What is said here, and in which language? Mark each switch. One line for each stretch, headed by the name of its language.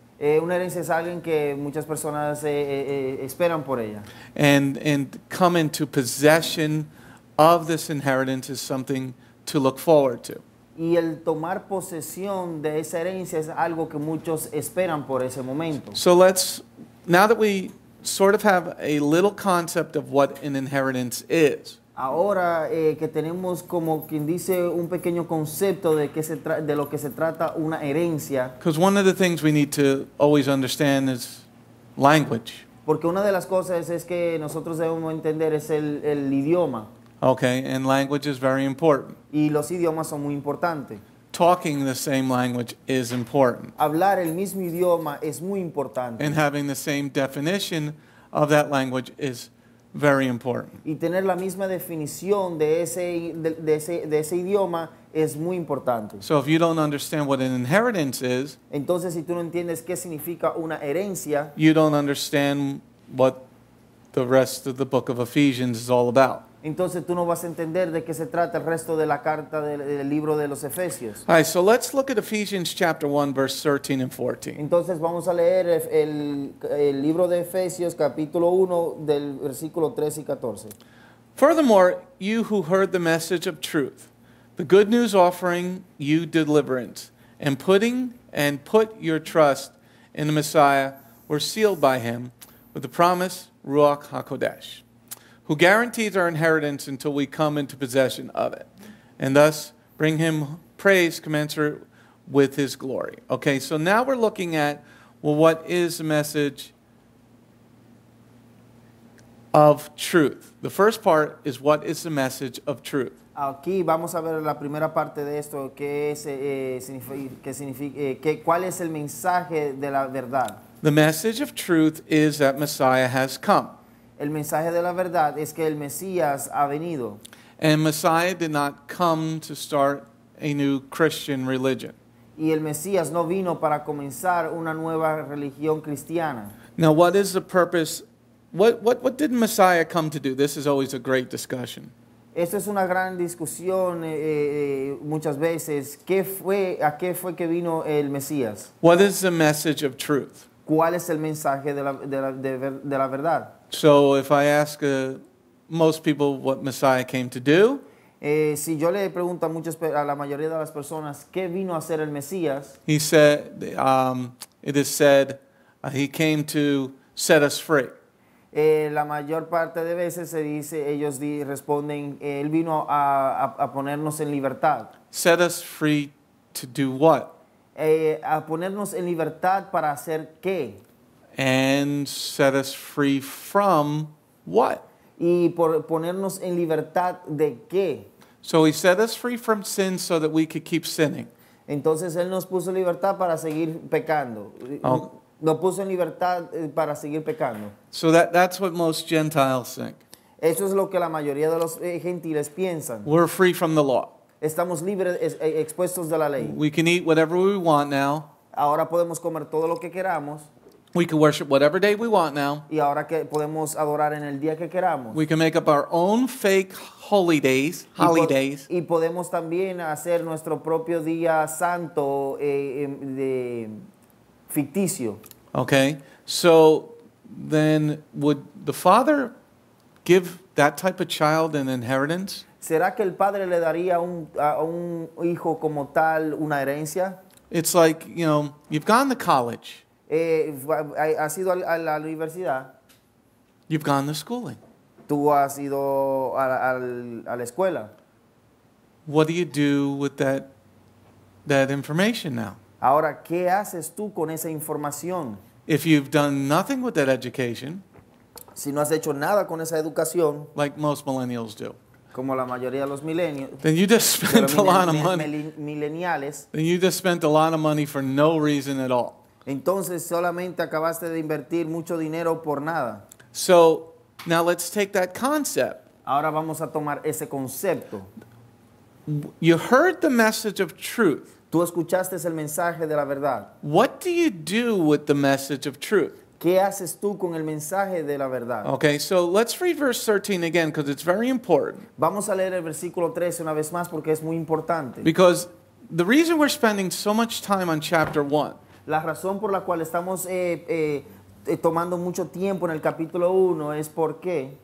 Spanish: Una herencia es alguien que muchas personas esperan por ella.
English: And come into possession of this inheritance is something to look forward to.
Spanish: Y el tomar posesión de esa herencia es algo que muchos esperan por ese momento.
English: So let's, now that we sort of have a little concept of what an inheritance is.
Spanish: Ahora que tenemos como quien dice un pequeño concepto de qué se de lo que se trata una herencia.
English: Because one of the things we need to always understand is language.
Spanish: Porque una de las cosas es que nosotros debemos entender es el idioma.
English: Okay, and language is very important.
Spanish: Y los idiomas son muy importantes.
English: Talking the same language is important.
Spanish: Hablar el mismo idioma es muy importante.
English: And having the same definition of that language is very important.
Spanish: Y tener la misma definición de ese idioma es muy importante.
English: So if you don't understand what an inheritance is,
Spanish: entonces si tú no entiendes qué significa una herencia,
English: you don't understand what the rest of the book of Ephesians is all about.
Spanish: Entonces tú no vas a entender de qué se trata el resto de la carta del libro de los Efesios.
English: All right, so let's look at Ephesians chapter 1, verse 13 and 14.
Spanish: Entonces vamos a leer el libro de Efesios, capítulo 1, del versículo 13 y 14.
English: Furthermore, you who heard the message of truth, the good news offering you deliverance, and put your trust in the Messiah, were sealed by him with the promise Ruach HaKodesh, who guarantees our inheritance until we come into possession of it, and thus bring him praise commensurate with his glory. Okay, so now we're looking at, well, what is the message of truth? The first part is, what is the message of truth?
Spanish: Aquí vamos a ver la primera parte de esto, cuál es el mensaje de la verdad.
English: The message of truth is that Messiah has come.
Spanish: El mensaje de la verdad es que el Mesías ha venido.
English: And Messiah did not come to start a new Christian religion.
Spanish: Y el Mesías no vino para comenzar una nueva religión cristiana.
English: Now, what is the purpose? What did Messiah come to do? This is always a great discussion.
Spanish: Esto es una gran discusión muchas veces. ¿A qué fue que vino el Mesías?
English: What is the message of truth?
Spanish: ¿Cuál es el mensaje de la verdad?
English: So if I ask most people what Messiah came to do,
Spanish: si yo le pregunto a la mayoría de las personas qué vino a hacer el Mesías,
English: he said, it is said, he came to set us free.
Spanish: La mayor parte de veces se dice, ellos responden, él vino a ponernos en libertad.
English: Set us free to do what?
Spanish: A ponernos en libertad para hacer qué?
English: And set us free from what?
Spanish: Y por ponernos en libertad de qué?
English: So he set us free from sin so that we could keep sinning.
Spanish: Entonces él nos puso libertad para seguir pecando. Nos puso en libertad para seguir pecando.
English: So that's what most Gentiles think.
Spanish: Eso es lo que la mayoría de los gentiles piensan.
English: We're free from the law.
Spanish: Estamos libres, expuestos de la ley.
English: We can eat whatever we want now.
Spanish: Ahora podemos comer todo lo que queramos.
English: We can worship whatever day we want now.
Spanish: Y ahora que podemos adorar en el día que queramos.
English: We can make up our own fake holidays. Holidays.
Spanish: Y podemos también hacer nuestro propio día santo de ficticio.
English: Okay. So then, would the father give that type of child an inheritance?
Spanish: ¿Será que el padre le daría a un hijo como tal una herencia?
English: It's like, you know, you've gone to college.
Spanish: Has ido a la universidad.
English: You've gone to schooling.
Spanish: Tú has ido a la escuela.
English: What do you do with that information now?
Spanish: Ahora, ¿qué haces tú con esa información?
English: If you've done nothing with that education,
Spanish: si no has hecho nada con esa educación,
English: like most millennials do,
Spanish: como la mayoría de los millennials,
English: then you just spent a lot of money. Millennials, then you just spent a lot of money for no reason at all.
Spanish: Entonces, solamente acabaste de invertir mucho dinero por nada.
English: So, now let's take that concept.
Spanish: Ahora vamos a tomar ese concepto.
English: You heard the message of truth.
Spanish: Tú escuchaste el mensaje de la verdad.
English: What do you do with the message of truth?
Spanish: ¿Qué haces tú con el mensaje de la verdad?
English: Okay, so let's read verse 13 again because it's very important.
Spanish: Vamos a leer el versículo 13 una vez más porque es muy importante.
English: Because the reason we're spending so much time on chapter 1.
Spanish: La razón por la cual estamos tomando mucho tiempo en el capítulo 1 es porque